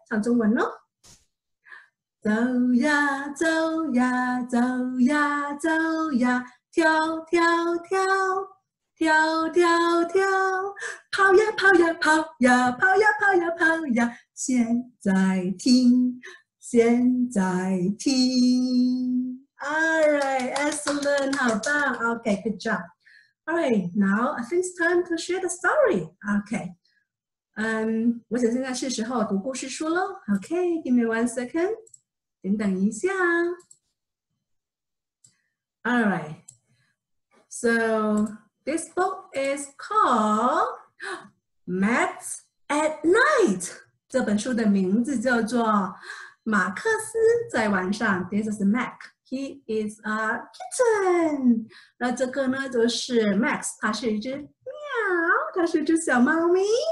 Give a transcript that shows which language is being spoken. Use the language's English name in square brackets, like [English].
[Chinese] 唱中文咯。走呀走呀走呀走呀，跳跳跳跳跳跳，跑呀跑呀跑呀跑呀跑呀跑呀，现在听现在听。 [English] Alright, excellent, [Chinese] 好棒。 [English] Okay, good job. Alright, now I think it's time to share the story. Okay. [Chinese] 我想现在是时候读故事书咯。 [English] Okay, give me one second. [Chinese] 等等一下。 [English] Alright. So, this book is called Maps at Night. [Chinese] 这本书的名字叫做马克思在晚上。 [English] This is Mac. He is a kitten. [Chinese] 那这个呢就是 Max, 它是一只喵，它是一只小猫咪。